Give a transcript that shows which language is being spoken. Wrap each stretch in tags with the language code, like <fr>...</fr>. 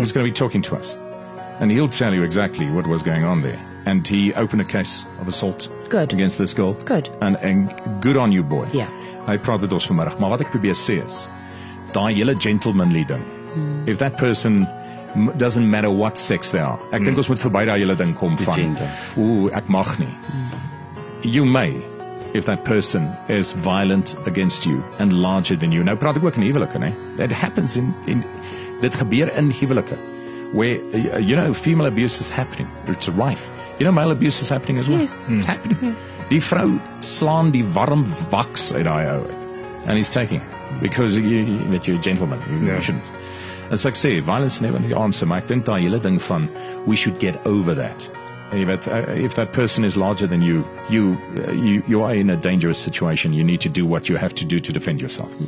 <en>He's going to be talking to us. And he'll tell you exactly what was going on there. And he opened a case of assault against this girl. Good. And good on you, boy. Yeah.</en> <af>Hy praat met ons vanmiddag, maar wat ek probeer sê is, daai hele gentlemanly ding,</af> <en>if that person doesn't matter what sex they are.</en> <af>Ek dink ons moet verby daai hele ding kom van ooh, ek mag nie.</af> <en>You may, if that person is violent against you and larger than you.</en> <af>Nou praat ek ook in huwelike, nê?</af> <en>That happens in</en> <af>dit gebeur in huwelike.</af> <en>Where, you know, female abuse is happening. It's rife. You know, male abuse is happening as well. Yes. It's happening. Yes.</en> <af>Die vrou slaan die warm waks uit die ou.</af> <en>And he's taking. Because you're a gentleman. You shouldn't. And so I say, violence never the answer.</en> <af>Maar ek dink daar hele ding van,</af> <en>we should get over that. If that person is larger than you, you are in a dangerous situation. You need to do what you have to do to defend yourself.</en>